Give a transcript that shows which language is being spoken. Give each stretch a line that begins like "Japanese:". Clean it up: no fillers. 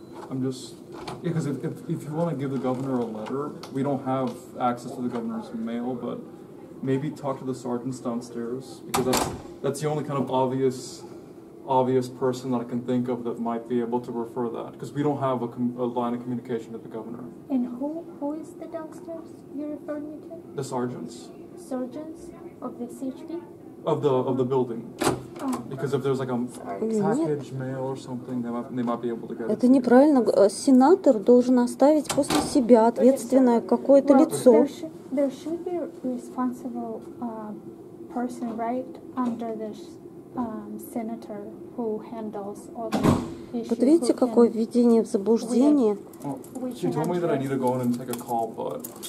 English: I'm just, because if you want to give the governor a letter, we don't have access to the governor's mail, but maybe talk to the sergeants downstairs, because that's the only kind of obvious person that I can think of that might be able to refer that, because we don't have a line of communication with the governor. And who is the downstairs you referred me to? The sergeants. Sergeants of the CHD? Of the building. Because if there's like a package mail or something, they might be able to get it.
Russian: Это неправильно. Сенатор должен оставить после себя ответственное какое-то лицо.
English: There should be a responsible person right under this senator who handles all the issues.
Russian: Вот видите, какое введение в заблуждение.
English: She told me that I need to go in and take a call, but...